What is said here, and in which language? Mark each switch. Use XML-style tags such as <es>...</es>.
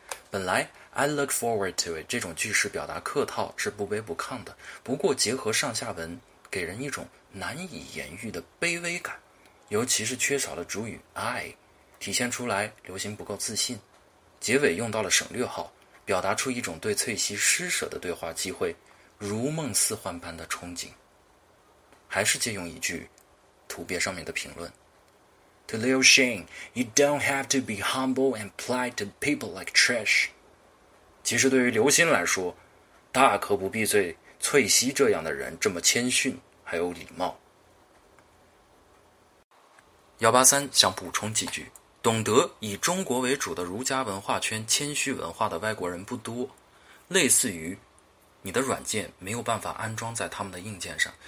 <zh>本来</zh> <en>I look forward to it</en> <zh>这种句式表达客套是不卑不亢的，不过结合上下文给人一种难以言喻的卑微感，尤其是缺少了主语 I, 体现出来刘鑫不够自信。结尾用到了省略号，表达出一种对翠西施舍的对话机会如梦似幻般的憧憬。还是借用一句图别上面的评论，</zh> <en>To Liu Xin, you don't have to be humble and polite to people like trash.</en> <zh>其实对于刘鑫来说，大可不必罪翠西这样的人这么谦逊还有礼貌。 183想补充几句，懂得以中国为主的儒家文化圈谦虚文化的外国人不多，类似于你的软件没有办法安装在他们的硬件上。</zh>